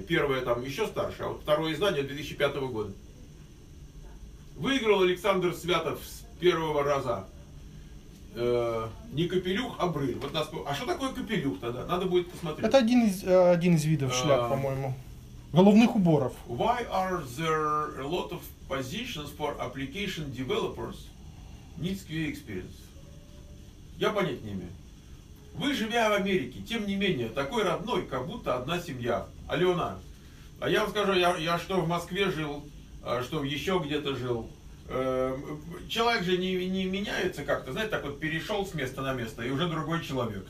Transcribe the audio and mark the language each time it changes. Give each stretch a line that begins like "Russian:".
Russian: Первое там еще старше, а вот второе издание 2005 года. Выиграл Александр Святов с первого раза. Не капелюх, а брыль. Вот нас... А что такое капелюх тогда? Надо будет посмотреть. Это один из видов шляп, по-моему. Головных уборов.
English: Why are there a lot of positions for application developers needs QA experience?
Russian: Я понять не имею. Вы, живя в Америке, тем не менее, такой родной, как будто одна семья. Алена, а я вам скажу, я что в Москве жил, что еще где-то жил. Человек же не меняется как-то, знаете, так вот перешел с места на место, и уже другой человек.